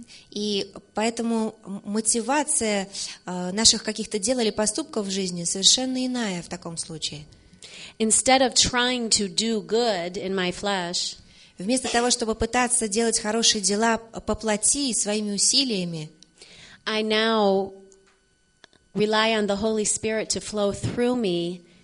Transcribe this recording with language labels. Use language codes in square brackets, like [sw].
[ru] И поэтому мотивация наших каких-то дел или поступков в жизни совершенно иная в таком случае. [en] Instead of trying to do good in my flesh, [ru] вместо того, чтобы пытаться делать хорошие дела по плоти своими усилиями, [en] I now rely on the Holy Spirit to flow through me.